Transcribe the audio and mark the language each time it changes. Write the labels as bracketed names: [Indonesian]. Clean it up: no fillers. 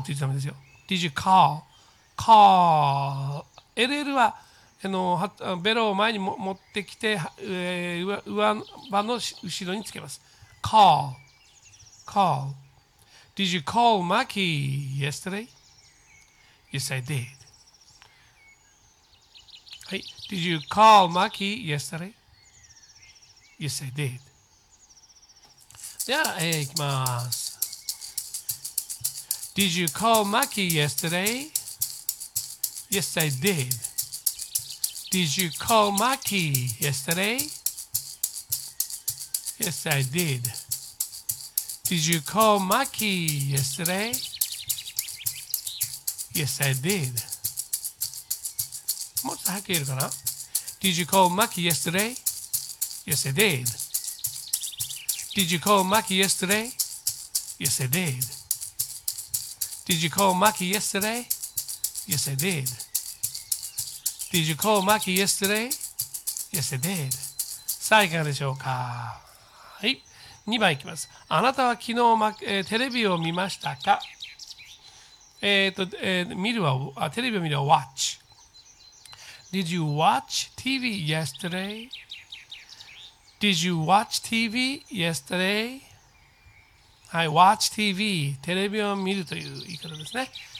[Japanese] って言ってたんですよ。 [English] Did you call? [Japanese] call LL はベロを前に持ってきて、上歯の後ろにつけます。 [English] Call Did you call Maki yesterday? Yes, I did、 [Japanese] はい、 [English] Did you call Maki yesterday? Yes, I did。 [Japanese] では、いきます。 [English] Did you call Maki yesterday? Yes, I didDid you call Maki yesterday? Yes, I did. Did you call Maki yesterday? Yes, I did. [Japanese] もっと早く言えるかな? [English] Did you call Maki yesterday? Yes, I did. Did you call Maki yesterday? Yes, I did. Did you call Maki yesterday? Yes, I did.Did you call Maki yesterday? yesterday。 [Japanese] さあいかがでしょうか。はい、2番いきます。あなたは昨日、テレビを見ましたか。見るはテレビを見るは watch。 [English] Did you watch TV yesterday? Did you watch TV yesterday? [Japanese] はい、 watch TV、 テレビを見るという言い方ですね。